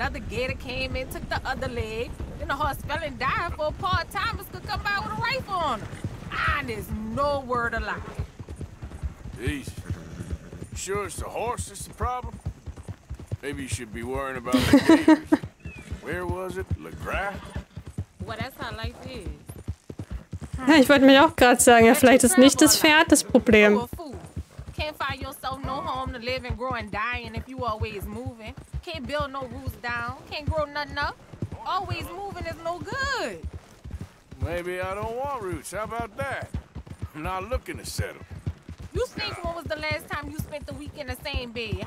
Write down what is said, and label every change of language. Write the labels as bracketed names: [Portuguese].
[English] Another gator came and took the other leg. Then the horse fell and died before Paul Thomas could come by with a rifle on him. And there's no word of lie. Jeez. Sure it's the horse that's the problem? Maybe you should be worrying about the gators. Where was it? LeGras? Well, that's how life is. [German] Ja, ich wollte mir auch gerade sagen, ja, vielleicht ist nicht das Pferd das Problem. [English] Can't find yourself no home to live and grow and die in if you always moving. Can't build no roots down. Can't grow nothing up. Always moving is no good. Maybe I don't want roots. How about that? I'm not looking to settle. You think when was the last time you spent the week in the same bed?